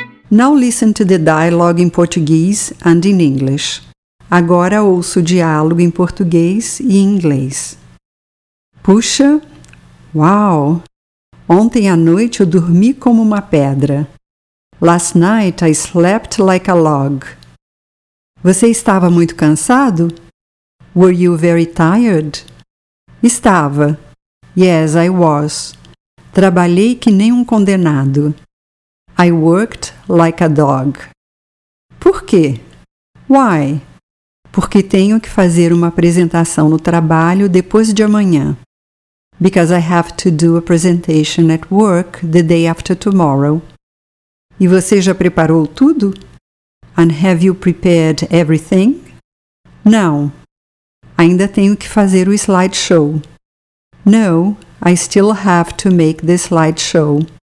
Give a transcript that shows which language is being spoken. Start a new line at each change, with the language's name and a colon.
English: Now listen to the dialogue in Portuguese and in English.
Portuguese: Agora ouço o diálogo em português e em inglês. Puxa! Uau! Ontem à noite eu dormi como uma pedra.
English: Last night I slept like a log.
Portuguese: Você estava muito cansado?
English: Were you very tired?
Portuguese: Estava.
English: Yes, I was.
Portuguese: Trabalhei que nem um condenado.
English: I worked like a dog.
Portuguese: Por quê?
English: Why?
Portuguese: Porque tenho que fazer uma apresentação no trabalho depois de amanhã.
English: Because I have to do a presentation at work the day after tomorrow.
Portuguese: E você já preparou tudo?
English: And have you prepared everything?
Portuguese: Não. Ainda tenho que fazer o slideshow.
English: No, I still have to make the slideshow.